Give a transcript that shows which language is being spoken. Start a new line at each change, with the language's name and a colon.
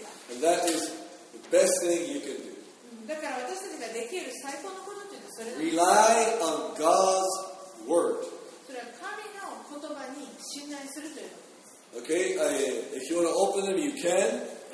English: And that is the best thing you can do.
Japanese: だから私たちができる最高のことというのはそれです。
English: Rely on God's word.
Japanese: それは神の言葉に信頼するということです。
English: Okay, if you want to open them, you can.